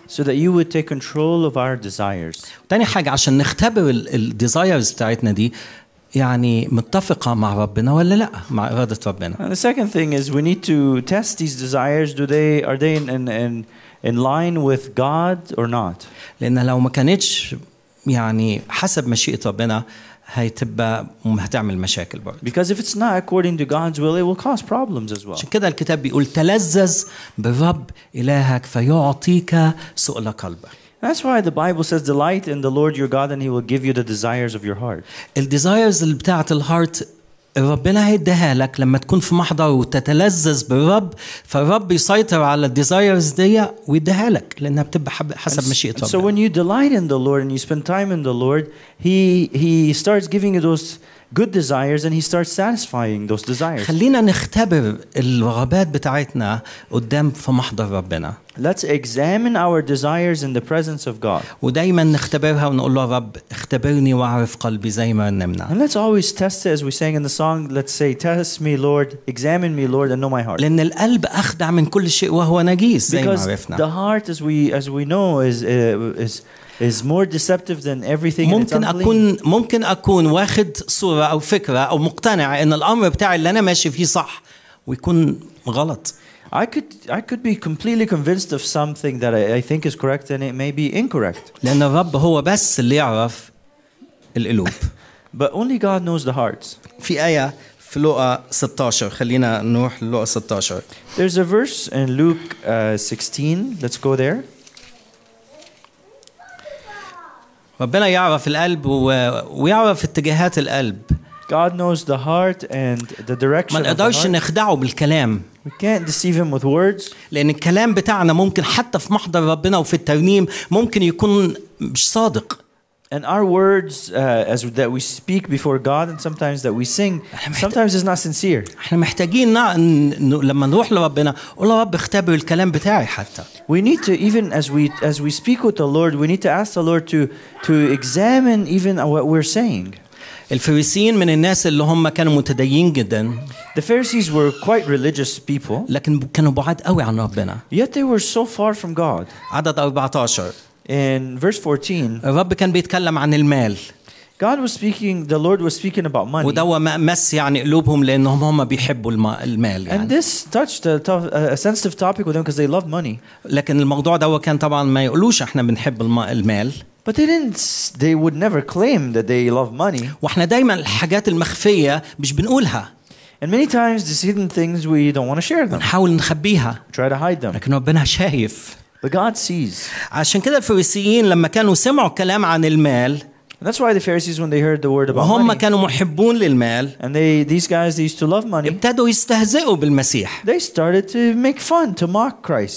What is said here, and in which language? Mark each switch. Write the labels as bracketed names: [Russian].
[English] So that you would take control of our desires. [Arabic] تاني حاجة عشان نختبر الديزايرز بتاعتنا دي يعني متفقة مع ربنا ولا لا مع إرادة ربنا. [English] And the second thing is we need to test these desires. Are they in line with God or not? [Arabic] لأن لو ما كانتش يعني حسب مشيئة ربنا هتعمل مشاكل برضه. [English] Because if it's not according to God's will, it will cause problems as well. [Arabic] عشان كده الكتاب بيقول تلذذ بالرب إلهك فيعطيك سؤل قلبك. [English] That's why the Bible says, "Delight in the Lord your God, and He will give you the desires of your heart." The desires [Arabic] اللي بتاعت الهارت ربنا هيديها لك لما تكون في محضر وتتلذذ بالرب، فالرب يسيطر على الديزايرز دي ويديها لك لأنها بتبقى حسب مشيئة ربنا. [English] So when you delight in the Lord and you spend time in the Lord, He starts giving you those good desires and He starts satisfying those desires. [Arabic] خلينا نختبر الرغبات بتاعتنا قدام في محضر ربنا. [English] Let's examine our desires in the presence of God. [Arabic] ودايما نختبرها ونقول له يا رب اختبرني واعرف قلبي زي ما نمنع. [English] And let's always test it as we sang in the song. Let's say, test me, Lord. Examine me, Lord, and know my heart. [Arabic] لأن القلب أخدع من كل شيء وهو نجيس زي ما عرفنا. [English] Because the heart, as we know, is more deceptive than everything. [Arabic] ممكن أكون واخد صورة أو فكرة أو مقتنع إن الأمر بتاعي اللي أنا ماشي فيه صح ويكون غلط. [English] I could be completely convinced of something that I think is correct and it may be incorrect. [Arabic] لأن الرب هو بس اللي يعرف القلوب. [English] But only God knows the hearts. [Arabic] في آية في لوقا 16 خلينا نروح لوقا 16. [English] There's a verse in Luke 16. Let's go there. [Arabic] ربنا يعرف القلب ويعرف اتجاهات القلب. [English] God knows the heart and the direction. [Arabic] ما نقدرش نخدعه بالكلام. [English] We can't deceive him with words. [Arabic] لأن الكلام بتاعنا ممكن حتى في محضر ربنا وفي الترنيم ممكن يكون مش صادق. [English] And our words, as that we speak before God, and sometimes that we sing, sometimes is not sincere. [Arabic] احنا محتاجين لما نروح لربنا قول يا رب اختبر الكلام بتاعي حتى. [English] We need to even as we speak with the Lord, we need to ask the Lord to examine even what we're saying. [Arabic] الفريسيين من الناس اللي هم كانوا متدينين جدا. [English] The Pharisees were quite religious people. [Arabic] لكن كانوا بعاد قوي عن ربنا. [English] Yet they were so far from God. [Arabic] عدد 14. [English] In verse 14. [Arabic] الرب كان بيتكلم عن المال. [English] God was speaking. The Lord was speaking about money. [Arabic] ودوا مس يعني قلوبهم لأنهم هم بيحبوا المال. [English] And this touched a sensitive topic with them because they loved money. [Arabic] لكن الموضوع دوا كان طبعا ما يقولوش إحنا بنحب المال. [English] But they would never claim that they love money. [Arabic] واحنا دايما الحاجات المخفية مش بنقولها. [English] And many times the hidden things we don't want to share them. [Arabic] بنحاول نخبيها. [English] Try to hide them. [Arabic] لكن ربنا شايف. [English] But God sees. [Arabic] عشان كده الفريسيين لما كانوا سمعوا كلام عن المال. [English] And that's why the Pharisees when they heard the word about [Arabic] وهم [English] money. [Arabic] كانوا محبون للمال. [English] And these guys used to love money. [Arabic] ابتدوا يستهزئوا بالمسيح. [English] They started to make fun, to mock Christ.